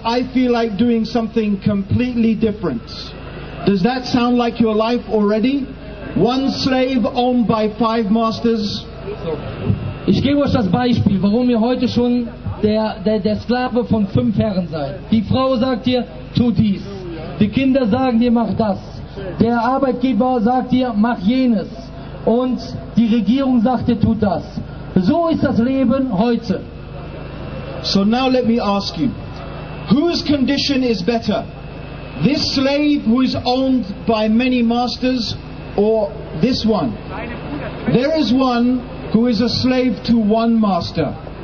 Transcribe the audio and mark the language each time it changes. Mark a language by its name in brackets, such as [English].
[English] I feel like doing something completely different. Does that sound like your life already? One slave owned by 5 masters? [German] Ich gebe euch das Beispiel, warum ihr heute schon der Sklave von 5 Herren seid. Die Frau sagt dir, tu dies. Die Kinder sagen dir, mach das. Der Arbeitgeber sagt dir, mach jenes. Und die Regierung sagt, er tut das. So ist das Leben heute. [English] So now let me ask you, whose condition is better? This slave who is owned by many masters or this one? There is one who is a slave to one master.